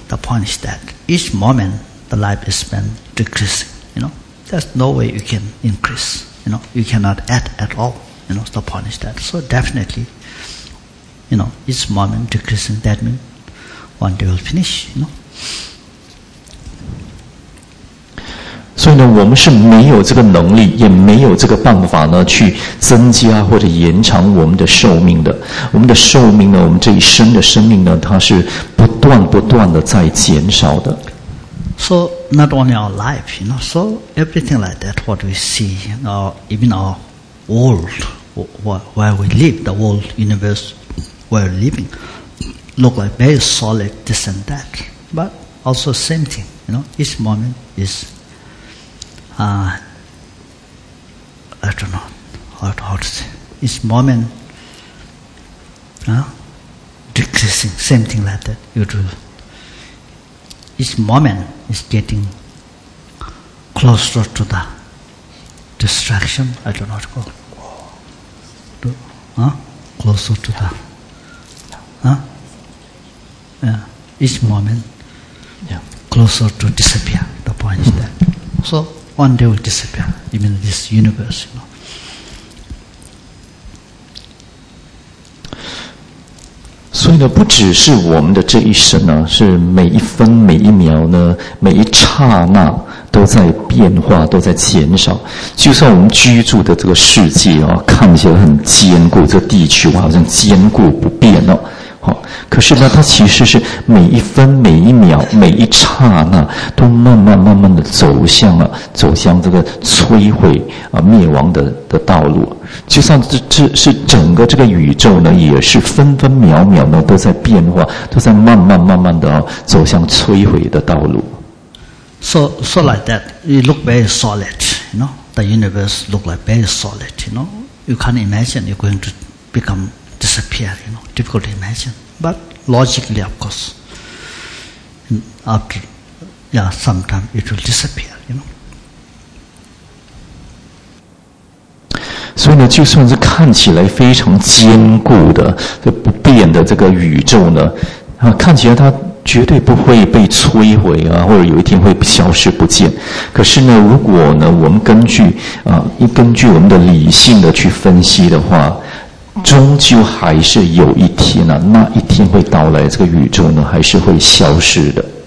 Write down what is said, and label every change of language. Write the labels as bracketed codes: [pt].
[en] The point is that each moment the life is spent decreasing, you know. There's no way you can increase, you know. You cannot add at all, you know, the point is that. So definitely, you know, each moment decreasing, that means one day will finish, you know. [zh] 所以呢，我们是没有这个能力，也没有这个办法呢，去增加或者延长我们的寿命的。我们的寿命呢，我们这一生的生命呢，它是不断不断的在减少的。 [en] So not only our life, you know, so everything like that, what we see, our, even our world, where we live, the world, universe, where we're living, look like very solid, this and that. But also same thing, you know, each moment is, I don't know how to say, each moment, decreasing, same thing like that, you do. Each moment is getting closer to the destruction. I don't know what to call it. Closer to the... Each moment closer to disappear. The point is that. So one day will disappear, even this universe, you know. [zh] 所以呢，不只是我们的这一生呢，是每一分每一秒呢，每一刹那都在变化，都在减少。就算我们居住的这个世界啊，看起来很坚固，这地球好像坚固不变了，好，可是呢，它其实是每一分每一秒每一刹那都慢慢慢慢的走向了、走向这个摧毁啊、灭亡的道路。就算这是整个这个宇宙呢，也是分分秒秒呢都在变化，都在慢慢慢慢的、走向摧毁的道路。 [en] So like that, it look very solid, you know, the universe look like very solid, you know, you can't imagine you're going to become disappear, you know, difficult to imagine, but logically, of course, after, sometime it will disappear, you know. [zh] 所以呢，就算是看起来非常坚固的、这不变的这个宇宙呢，啊，看起来它绝对不会被摧毁啊，或者有一天会消失不见。可是呢，如果呢，我们根据啊，根据我们的理性的去分析的话，终究还是有一天啊，那一天会到来，这个宇宙呢还是会消失的。